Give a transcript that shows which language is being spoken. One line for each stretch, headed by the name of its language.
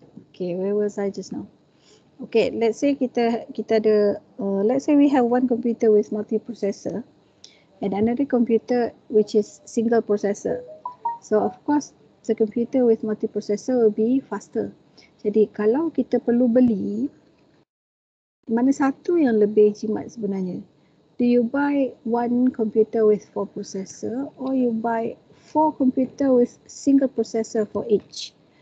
English: Okay, where was I just now? Okay, let's say
Malay: kita ada
English: let's say we have one computer with multi-processor and another computer which is single processor. So of course the computer with multi-processor will be faster.
Malay: Jadi kalau kita perlu beli, mana satu yang lebih jimat sebenarnya?
English: Do you buy one computer with four processor or you buy four computer with single processor for each?